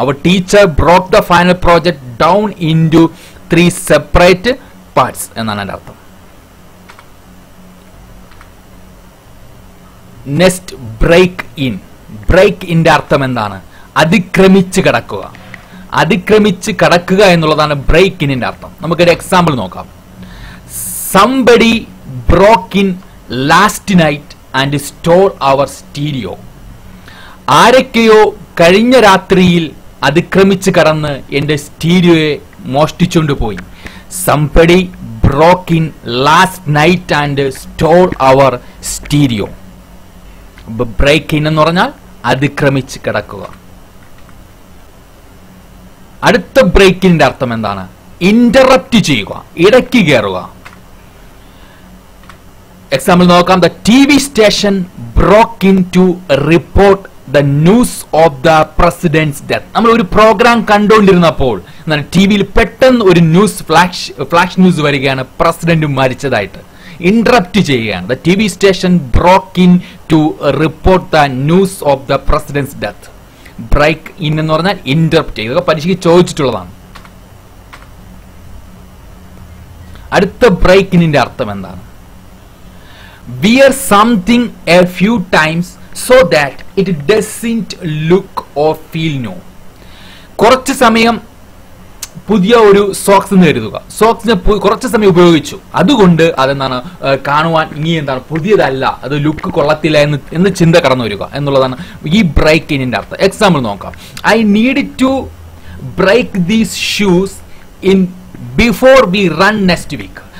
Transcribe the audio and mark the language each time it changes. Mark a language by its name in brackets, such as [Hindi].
[English] അവർ teacher broke the final project down into three separate parts [Malayalam] എന്നാണ് എന്റെ അർത്ഥം. Next break in. Break ഇൻ്റെ അർത്ഥം എന്താണ്? അതിക്രമിച്ച് കടക്കുക. അതിക്രമിച്ച് കടക്കുക എന്നുള്ളതാണ് ബ്രേക്ക് ഇൻ്റെ അർത്ഥം. നമുക്കൊരു എക്സാമ്പിൾ നോക്കാം. [English] Somebody broke in last night and stole our stereo. [Malayalam] ആരൊക്കെയോ കഴിഞ്ഞ രാത്രിയിൽ അതിക്രമിച്ച് കടന്ന് എൻ്റെ സ്റ്റീരിയോയെ മോഷ്ടിച്ചുകൊണ്ട് പോയി. [English] Somebody broke in last night and stole our stereo. [Malayalam] Break in എന്ന് പറഞ്ഞാൽ അതിക്രമിച്ച് കടക്കുക. അടുത്ത ബ്രേക്ക് ഇൻ്റെ അർത്ഥം എന്താണ്? ഇന്ററപ്റ്റ് ചെയ്യുക, ഇടയ്ക്ക് കയറുക. എക്സാമ്പിൾ നോക്കാം. [English] The T V station broke in to report the news of the president's death. [Malayalam] നമ്മൾ ഒരു പ്രോഗ്രാം കണ്ടുകൊണ്ടിരുന്നപ്പോൾ എന്താണ് ടി വിയിൽ പെട്ടെന്ന് ഒരു ന്യൂസ് ഫ്ലാഷ് ന്യൂസ് വരികയാണ്, പ്രസിഡന്റ് മരിച്ചതായിട്ട്. ഇന്ററപ്റ്റ് ചെയ്യുകയാണ്. [English] The T V station broke in to report the news of the president's death. [Malayalam] Break in എന്ന് പറഞ്ഞാൽ ഇന്ററപ്റ്റ് ചെയ്യുക. പരീക്ഷയ്ക്ക് ചോദിച്ചിട്ടുള്ളതാണ്. അടുത്ത ബ്രേക്ക് ഇൻ്റെ അർത്ഥം എന്താണ്? [English] Wear something a few times so that it doesn't look or feel new. [Malayalam] കുറച്ച് സമയം പുതിയ ഒരു സോക്സ് എന്ന് കരുതുക. സോക്സിനെ കുറച്ച് സമയം ഉപയോഗിച്ചു, അതുകൊണ്ട് അതെന്താണ് കാണുവാൻ ഇനി എന്താണ് പുതിയതല്ല, അത് ലുക്ക് കൊള്ളത്തില്ല എന്ന് ചിന്ത കടന്നു വരിക എന്നുള്ളതാണ് ഈ ബ്രേക്ക് ഇൻ്റെ അർത്ഥം. എക്സാമ്പിൾ നോക്കാം. [English] I need to break these shoes in before we run next week.